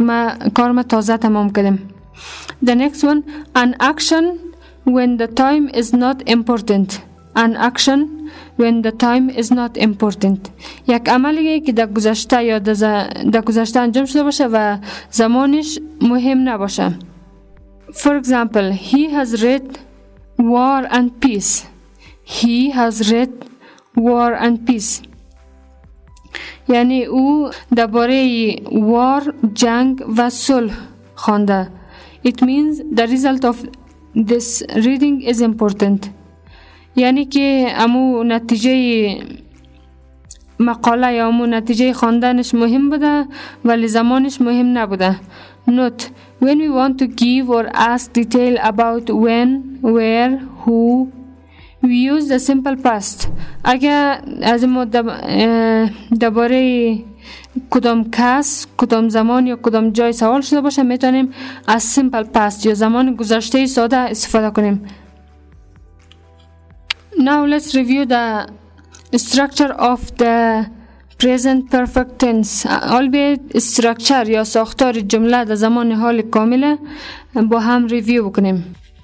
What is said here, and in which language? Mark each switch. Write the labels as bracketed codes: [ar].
[fa] ما کار ما تازه تمام کردیم. [en] The next one, an action when the time is not important. An action when the time is not important. [fa] یک عملی که در گذشته یا در گذشته انجام شده باشه و زمانش مهم نباشه. [en] For example, he has read War and Peace. He has read War and Peace. [fa] یعنی او درباره war، جنگ و صلح خوانده. [en] It means the result of this reading is important. [fa] یعنی که امو نتیجه مقاله یا امو نتیجه خواندنش مهم بوده ولی زمانش مهم نبوده. [en] Note: when we want to give or ask detail about when, where, who, we use the simple past. [fa] اگر از ما درباره کدام کس، کدام زمان یا کدام جای سوال شده باشه میتونیم از simple past یا زمان گذشته ساده استفاده کنیم. [en] Now let's review the structure of the present perfect tense. [fa] Albeit structure یا ساختار جمله در زمان حال کامل با هم review بکنیم.